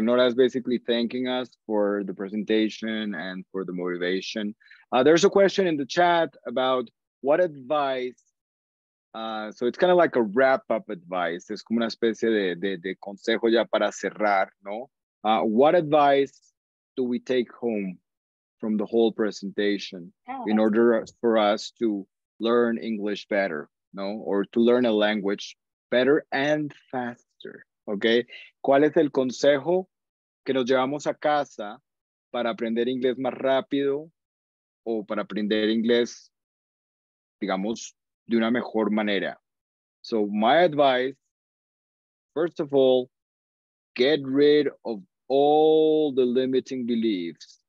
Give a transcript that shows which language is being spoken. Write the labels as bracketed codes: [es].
[en] Nora is basically thanking us for the presentation and for the motivation. There's a question in the chat about what advice. So it's kind of like a wrap-up advice. [es] Es como una especie de consejo ya para cerrar, ¿no? [en] What advice do we take home from the whole presentation in order for us to learn English better, ¿no? Or to learn a language better and faster, okay? [es] ¿Cuál es el consejo que nos llevamos a casa para aprender inglés más rápido o para aprender inglés, digamos, de una mejor manera? [en] So my advice, first of all, get rid of all the limiting beliefs.